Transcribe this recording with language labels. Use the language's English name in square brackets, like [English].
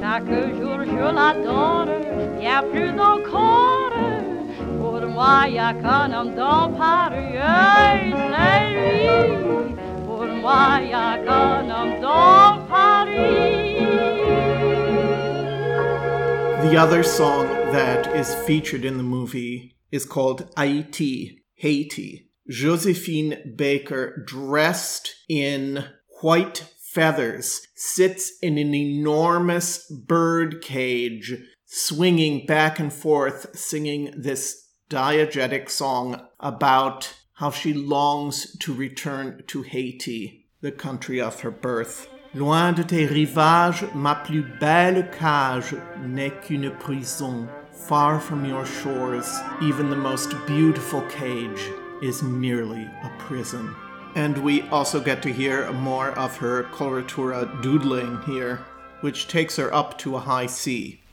[French] Chaque jour, je l'adore, bien plus encore. Pour moi, il n'y a qu'un homme dans Paris, c'est lui. Pour moi, il n'y a qu'un homme dans Paris. [English] The other song that is featured in the movie is called Haïti, Haiti. Josephine Baker, dressed in white feathers, sits in an enormous bird cage, swinging back and forth, singing this diegetic song about how she longs to return to Haiti, the country of her birth. [French] Loin de tes rivages, ma plus belle cage n'est qu'une prison. [English] Far from your shores, even the most beautiful cage is merely a prison. And we also get to hear more of her coloratura doodling here, which takes her up to a high C.